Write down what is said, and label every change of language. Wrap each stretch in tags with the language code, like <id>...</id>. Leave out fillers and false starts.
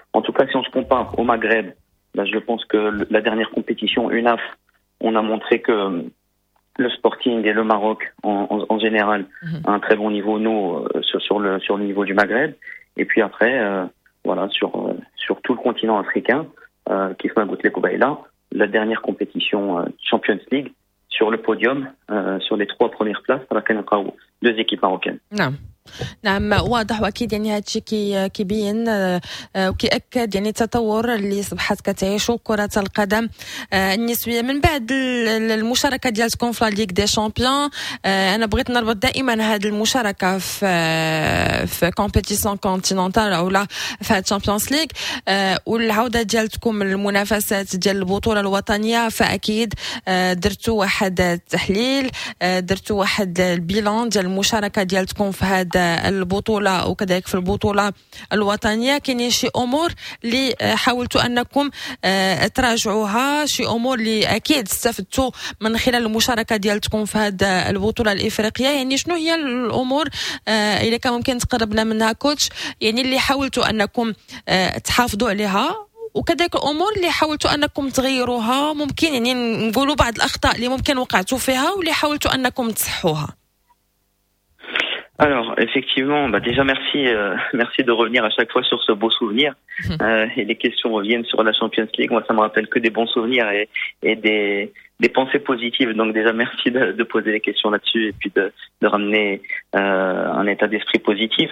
<fr>En tout cas, si on se compare au Maghreb, je pense que la dernière compétition, UNAF, on a montré que le Sporting et le Maroc, en général, a un très bon niveau, nous, sur le niveau du Maghreb. Et puis après, voilà, sur tout le continent africain, qui fait un goût de l'Ekobaïla, la dernière compétition Champions League, sur le podium, sur les trois premières places, par laquelle on a deux équipes marocaines. Non.</fr> <ar>نعم واضح واكيد يعني هذا الشيء كيبين وكيأكد يعني التطور اللي صبحت كتعيشه كرة القدم النسوية من بعد المشاركة ديالكم في ليغ دي شامبيون. انا بغيت نربط دائما هذه المشاركة في كومبيتيسيون كونتيننتال او لا في الشامبيونز ليغ والعودة ديالكم للمنافسات ديال البطولة الوطنية. فاكيد درتوا واحد التحليل, درتوا واحد البيلان ديال المشاركة ديالكم في هذا البطولة وكذلك في البطولة الوطنية. كاين شي أمور اللي حاولتوا أنكم تراجعوها, شي أمور اللي أكيد استفدتوا من خلال المشاركة ديالتكم في هذا البطولة الإفريقية, يعني شنو هي الأمور اللي كان ممكن تقربنا منها كوتش, يعني اللي حاولتوا أنكم تحافظوا عليها وكذلك الأمور اللي حاولتوا أنكم تغيروها, ممكن يعني نقولوا بعض الأخطاء اللي ممكن وقعتوا فيها واللي حاولتوا أنكم تصحوها.</ar> <fr>Alors effectivement, déjà merci de revenir à chaque fois sur ce beau souvenir. Et les questions reviennent sur la Champions League. Moi, ça me rappelle que des bons souvenirs et des pensées positives. Donc déjà merci de poser les questions là-dessus et puis de ramener un état d'esprit positif.</fr>